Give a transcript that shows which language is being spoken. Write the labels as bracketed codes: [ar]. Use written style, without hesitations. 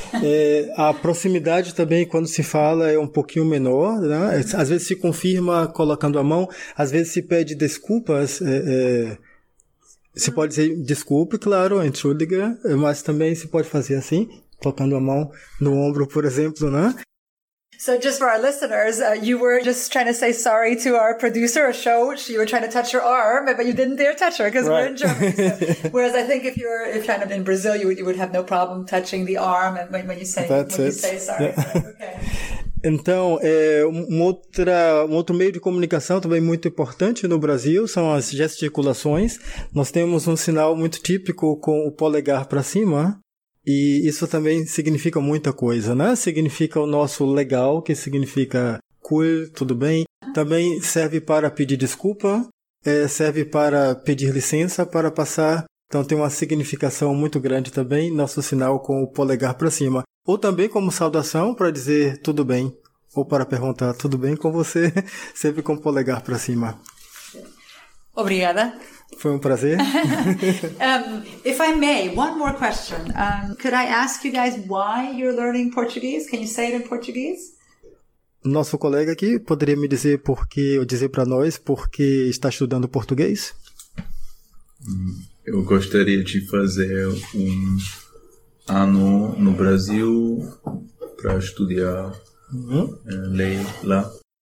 [pt] É, a proximidade também, quando se fala, é um pouquinho menor, né? Às vezes se confirma colocando a mão, às vezes se pede desculpas, se pode dizer desculpe, claro, entschuldige, mas também se pode fazer assim, tocando a mão no ombro, por exemplo, né? [en] So just for our listeners, you were just trying to say sorry to our producer, a show, you were trying to touch her arm, but you didn't dare touch her because right. We're in Germany. So. Whereas I think if you're kind of in Brazil, you would have no problem touching the arm and when you say That's when it. You say sorry. Yeah. So, okay. [pt] Então, um outro meio de comunicação também muito importante no Brasil são as gesticulações. Nós temos um sinal muito típico com o polegar para cima e isso também significa muita coisa, né? Significa o nosso legal, que significa cool, tudo bem. Também serve para pedir desculpa, serve para pedir licença para passar. Então, tem uma significação muito grande também nosso sinal com o polegar para cima. Ou também como saudação para dizer tudo bem, ou para perguntar tudo bem com você, sempre com o polegar para cima. Obrigada. Foi um prazer. [en] If I may, one more question. Could I ask you guys why you're learning Portuguese? Can you say it in Portuguese? [pt] Nosso colega aqui poderia me dizer por que, ou dizer para nós por que está estudando português? Eu gostaria de fazer um... ano no Brasil para estudar lei lá.